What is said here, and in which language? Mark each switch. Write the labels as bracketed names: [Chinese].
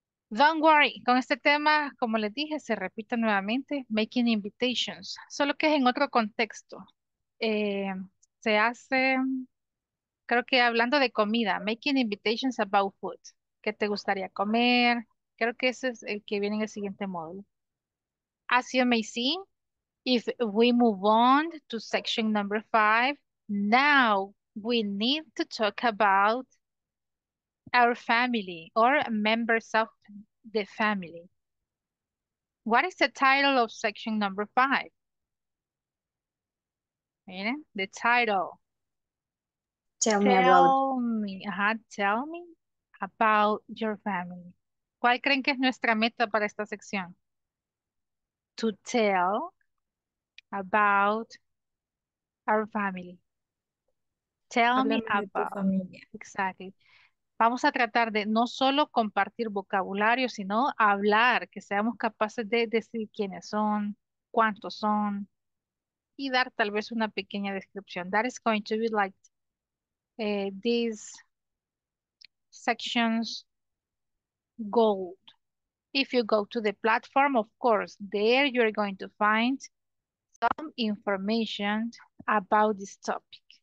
[English] Don't worry, [Spanish] con este tema, como les dije, se repite nuevamente, making invitations, solo que es en otro contexto. Se hace, creo que hablando de comida, [English] making invitations about food, [Spanish] ¿qué te gustaría comer? Creo que ese es el que viene en el siguiente módulo. [English] As you may see, if we move on to section number 5, now we need to talk about our family or members of the family. What is the title of section number 5? Yeah, the title. Tell me. Tell me about your family. [Spanish] ¿Cuál creen que es nuestra meta para esta sección? [English] To tell about our family. Tell me about. [Spanish] Vamos a tratar de no solo compartir vocabulario, sino hablar, que seamos capaces de decir quiénes son, cuántos son, y dar tal vez una pequeña descripción. [English] That is going to be like these sections gold. If you go to the platform, of course, there you're going to find some information about this topic.